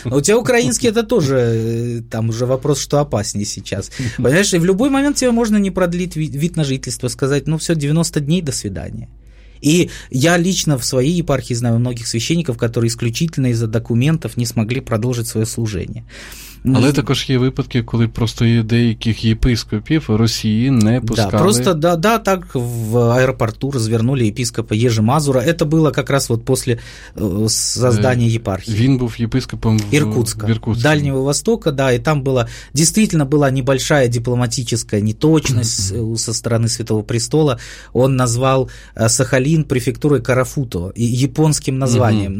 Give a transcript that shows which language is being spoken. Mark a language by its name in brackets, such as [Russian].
[Russian] У тебя украинский, это тоже, там уже вопрос, что опаснее сейчас. Понимаешь, и в любой момент тебе можно не продлить вид на жительство, сказать, ну, все, 90 дней, до свидания. И я лично в своей епархии знаю многих священников, которые исключительно из-за документов не смогли продолжить свое служение. [Ukrainian] Але також є випадки, коли просто є деяких єпископів Росії не пускали. Да, просто да, так в аеропорту розвернули єпископа Єжи Мазура. [Russian] Это было как раз вот после создания епархии. [Ukrainian] Він був єпископом [Russian] Иркутска, в Иркутске. Дальнего Востока, да, и там была действительно была небольшая дипломатическая неточность со стороны Святого Престола. Он назвал Сахалин префектурой Карафуто, японским названием.